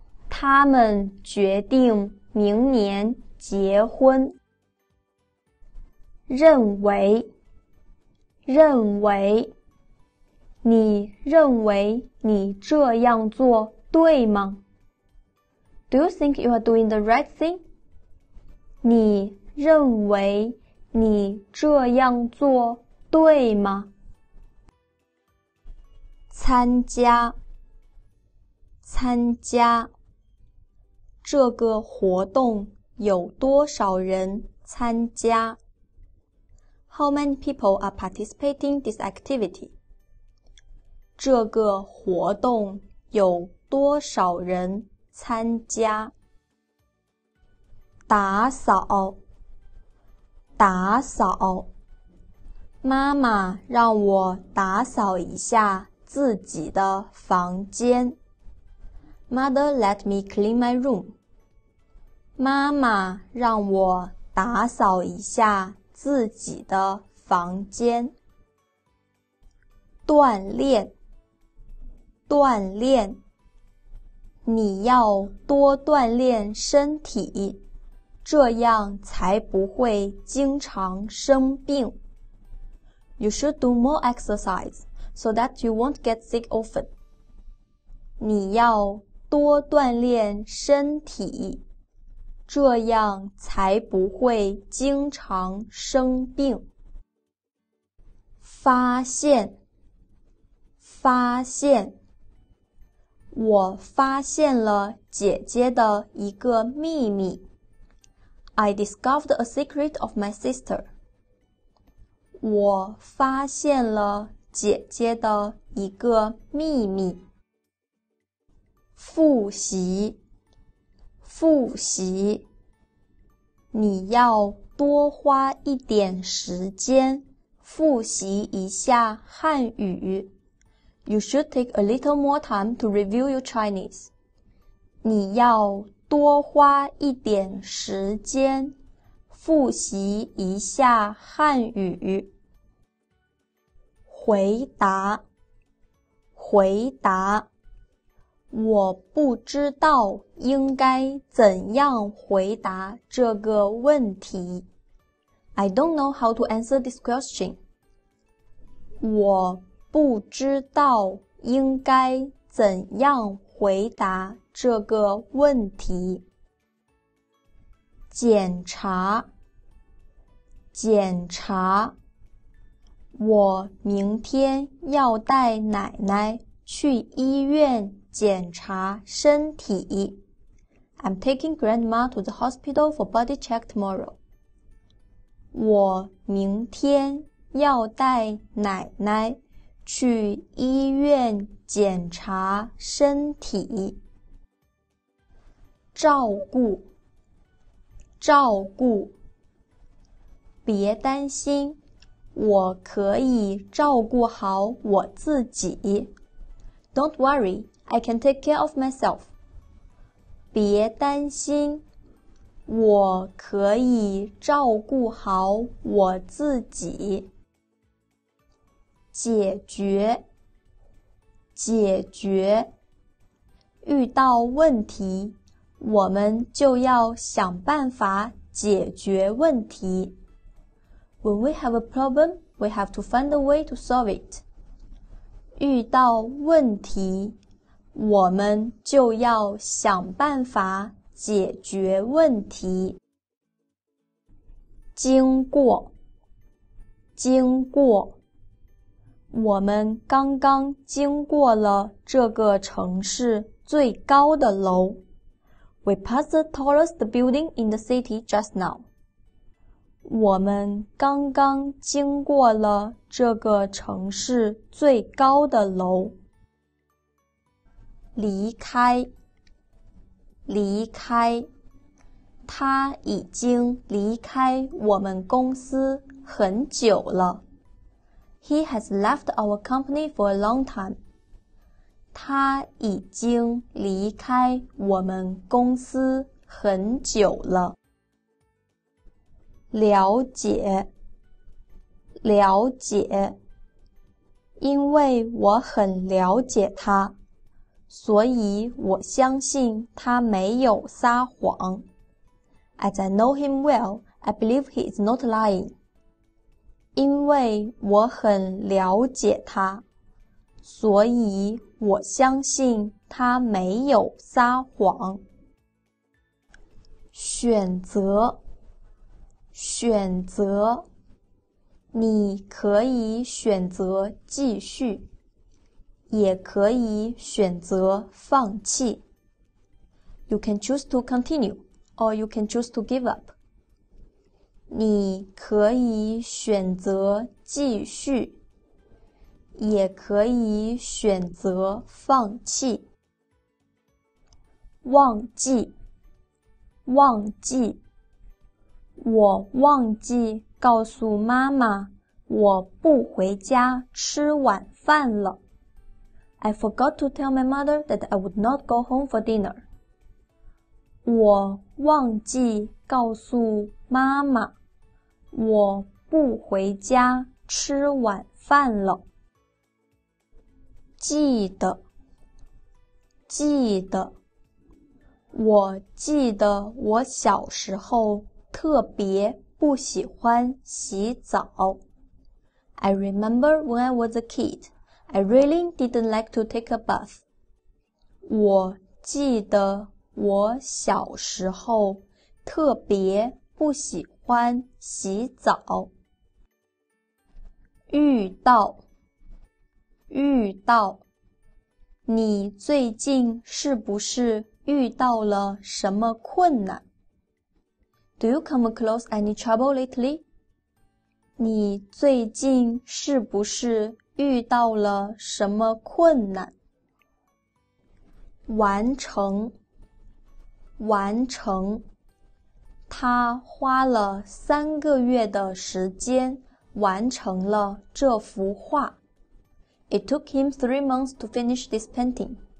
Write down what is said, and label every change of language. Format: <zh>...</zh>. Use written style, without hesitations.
<zh>他们决定明年结婚。认为，认为，你认为你这样做对吗？</zh> <en>Do you think you are doing the right thing?</en> <zh>你认为你这样做对吗？参加，参加，这个活动有多少人参加？</zh> <en>How many people are participating in this activity?</en> <zh>这个活动有多少人参加？打扫，打扫，妈妈让我打扫一下自己的房间。</zh> <en>Mother let me clean my room.</en> <zh>妈妈让我打扫一下自己的房间。锻炼，锻炼，你要多锻炼身体，这样才不会经常生病。</zh> <en>You should do more exercise so that you won't get sick often.</en> <zh>你要多锻炼身体，这样才不会经常生病。发现，发现，我发现了姐姐的一个秘密。</zh> <en>I discovered a secret of my sister.</en> <zh>我发现了姐姐的一个秘密。复习，复习，你要多花一点时间复习一下汉语。</zh> <en>You should take a little more time to review your Chinese.</en> <zh>你要多花一点时间复习一下汉语。回答，回答，我不知道应该怎样回答这个问题。</zh> <en>I don't know how to answer this question.</en> <zh>我不知道应该怎样回答这个问题。检查，检查，我明天要带奶奶去医院检查身体。</zh> <en>I'm taking grandma to the hospital for body check tomorrow.</en> <zh>我明天要带奶奶去医院检查身体。照顾，照顾，别担心，我可以照顾好我自己。</zh> <en>Don't worry, I can take care of myself.</en> <zh>别担心，我可以照顾好我自己。解决，解决，遇到问题，我们就要想办法解决问题。</zh> <en>When we have a problem, we have to find a way to solve it.</en> <zh>遇到问题，我们就要想办法解决问题。经过，经过，我们刚刚经过了这个城市最高的楼。</zh> <en>We passed the tallest building in the city just now.</en> <zh>我们刚刚经过了这个城市最高的楼。离开，离开，他已经离开我们公司很久了。</zh> <en>He has left our company for a long time.</en> <zh>他已经离开我们公司很久了。了解，了解，因为我很了解他，所以我相信他没有撒谎。</zh> <en>As I know him well, I believe he is not lying.</en> <zh>因为我很了解他，所以我相信他没有撒谎。选择，选择，你可以选择继续，也可以选择放弃。</zh> <en>You can choose to continue, or you can choose to give up.</en> <zh>你可以选择继续，也可以选择放弃。忘记，忘记，我忘记告诉妈妈我不回家吃晚饭了。</zh> <en>I forgot to tell my mother that I would not go home for dinner.</en> <zh>我忘记告诉妈妈我不回家吃晚饭了。记得，记得，我记得我小时候特别不喜欢洗澡。</zh> <en>I remember when I was a kid, I really didn't like to take a bath.</en> <zh>我记得我小时候特别不喜欢洗澡。遇到，遇到，你最近是不是遇到了什么困难？</zh> <en>Do you come across any trouble lately?</en> <zh>你最近是不是遇到了什么困难？完成，完成。他花了三个月的时间完成了这幅画。</zh> <en>It took him 3 months to finish this painting.</en>